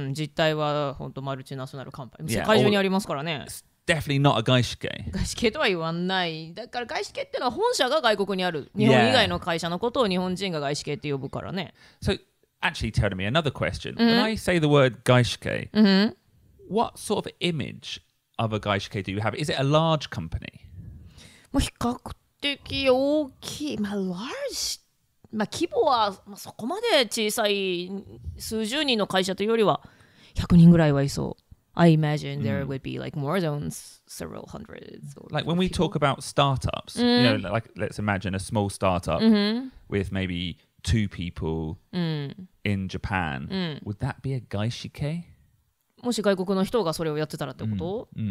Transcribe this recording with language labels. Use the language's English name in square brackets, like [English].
[Japanese] 実態は本当マルチナショナルカンパニー。世界中にありますからね。 [English] It's definitely not a 外資系。 [Japanese] 外資系とは言わない。だから外資系ってのは本社が外国にある。日本以外の会社のことを日本人が外資系って呼ぶからね。 [English] So, actually, tell me another question. When I say the word 外資系, what sort of image of a 外資系 do you have? Is it a large company? [Japanese] 比較的大きい。まあ、large? まあ、規模はそこまで小さい数十人の会社というよりは100人ぐらいはいそう。 [English] I imagine there would be like more than several hundreds. Like when we talk about startups, you know, like let's imagine a small startup with maybe two people in Japan. Would that be a 外資系? [Japanese] もし外国の人がそれをやってたらってこと?